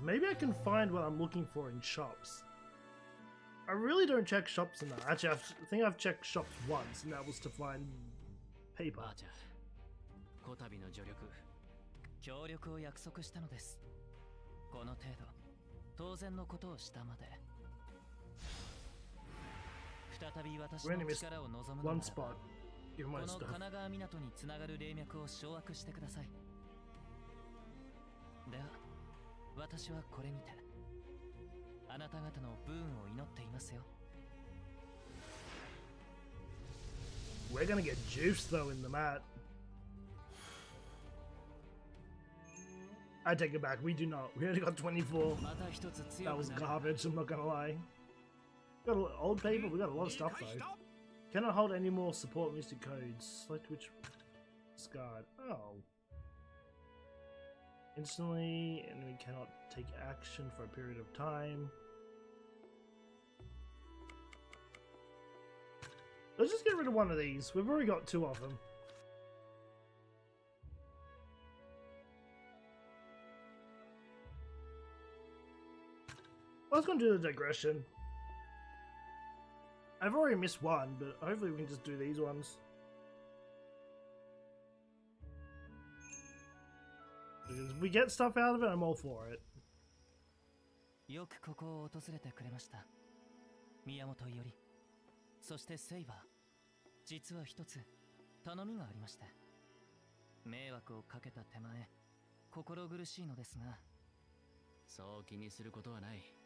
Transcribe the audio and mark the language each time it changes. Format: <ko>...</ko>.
<en>Maybe I can find what I'm looking for in shops. I really don't check shops enough. Actually, I think I've checked shops once, and that was to find paper.</en> <ja>こたびの助力、協力を約束したのです。この程度、当然のことをしたまで。再び私の力を望むならば、この神奈川港につながる霊脈を掌握してください。では、私はこれにて、あなた方の武運を祈っていますよ。</ja> <en>We're gonna get juice though in the mat. I take it back, we do not. We only got 24. That was garbage, I'm not gonna lie. Got a lot of old paper, we got a lot of stuff though. Cannot hold any more support mystic codes. Select which discard. Oh. Instantly, and we cannot take action for a period of time. Let's just get rid of one of these. We've already got two of them. I was going to do the digression. I've already missed one, but hopefully we can just do these ones. Because if we get stuff out of it, I'm all for it.</en> <ja>よくここを訪れてくれました。宮本より。そしてセイバー。実は一つ、頼みがありまして。迷惑をかけた手前、心苦しいのですが。そう気にすることはない。</ja>